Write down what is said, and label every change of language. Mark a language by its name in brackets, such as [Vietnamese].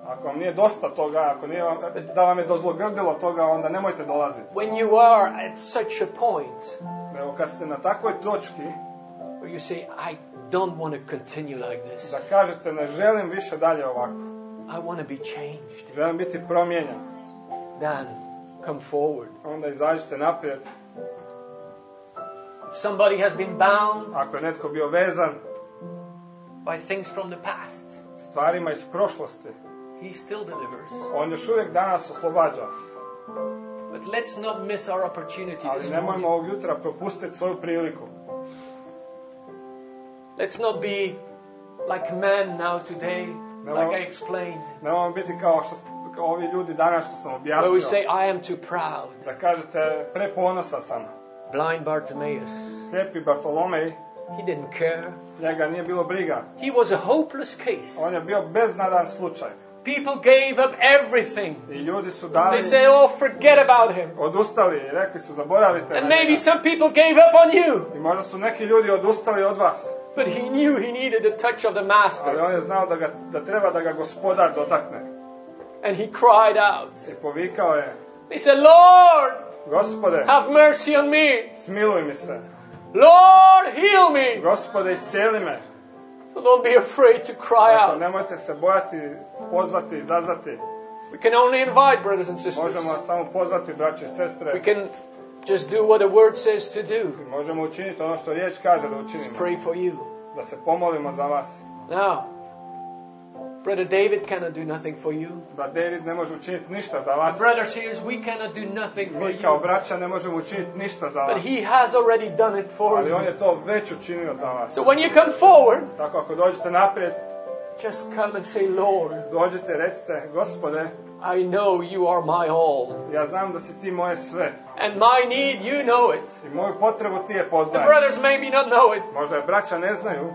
[English] When you are at such a point where you say, I don't want to continue like this. [Croatian] Da kažete, ne želim više dalje ovako. [English] I want to be changed. [Croatian] Želim biti promijenjen. [English] Dan, come forward. [Croatian] Onda izađite naprijed. [English] If somebody has been bound, [Croatian] ako je netko bio vezan, [English] by things from the past, [Croatian] stvarima iz prošlosti, [English] he still delivers. [Croatian] On još uvijek danas oslobađa. [English] But let's not miss our opportunity this morning. [Croatian] Ali nemojmo ovog jutra propustiti svoju priliku. [English] Let's not be like men now today, like I explained. [Croatian] Nemojmo biti kao što ovi ljudi danas što sam objasnio. [English] Where we say, I am too proud. [Croatian] Da kažete, preponosan sam. [English] Blind Bartimaeus. [Croatian] Slijepi Bartolomej. [English] He didn't care. [Croatian] Njega nije bilo briga. [English] He was a hopeless case. [Croatian] On je bio beznadan slučaj. [English] People gave up everything. [Croatian] I ljudi su dali. [English] They say, oh, forget about him. [Croatian] Odustali, rekli su, zaboravite. [English] And maybe some people gave up on you. [Croatian] I možda su neki ljudi odustali od vas. [English] But he knew he needed the touch of the master. [Croatian] Ali on je znao da treba da ga gospodar dotakne. [English] And he cried out. [Croatian] I povikao je. [English] He said, Lord, [Croatian] Gospode, [English] have mercy on me. [Croatian] Smiluj mi se. [English] Lord, heal me. [Croatian] Gospode, isceli me. [English] So don't be afraid to cry out. [Croatian] Nemojte se bojati pozvati i zazvati. [English] We can only invite brothers and sisters. [Croatian] Možemo samo pozvati braće i sestre. [English] We can just do what the word says to do. [Croatian] Možemo učiniti ono što riječ kaže da učinimo. [English] Pray for you. [Croatian] Da se pomolimo za vas. [English] Now, Brother David cannot do nothing for you. [Croatian] Brat David ne može učiniti ništa za vas. [English] Brothers here, we cannot do nothing for you. [Croatian] Mi kao braća ne možemo učiniti ništa za vas. [English] But he has already done it for you. [Croatian] Ali on je to već učinio za vas. [English] So when you come forward, [Croatian] tako ako dođete naprijed, [English] just come and say, Lord, [Croatian] dođete, recite, Gospode, [English] I know you are my all. [Croatian] Ja znam da si ti moje sve. [English] And my need, you know it. [Croatian] I moju potrebu ti je poznaješ. [English] The brothers maybe not know it. [Croatian] Možda je braća ne znaju.